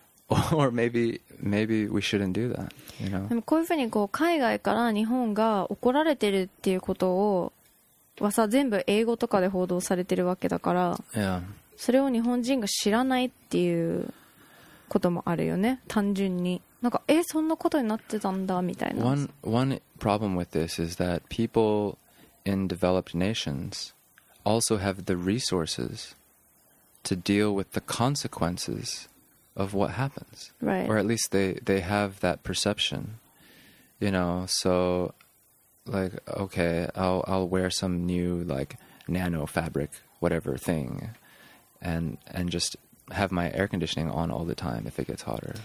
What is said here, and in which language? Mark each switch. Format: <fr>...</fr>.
<en>Or maybe we shouldn't do that, you know?</en> <ja>でもこういうふうにこう海外から日本が怒られてるっていうことをはさ全部英語とかで報道されてるわけだから、</ja> <en>yeah.</en> <ja>それを日本人が知らないっていうこともあるよね単純になんかそんなことになってたんだみたいな</ja> <en>One problem with this is that people in developed nations also have the resources to deal with the consequences of what happens. Right. Or at least they have that perception. You know, so like, okay, I'll wear some new like nano fabric whatever thing and just have my air conditioning on all the time if it gets hotter.</en>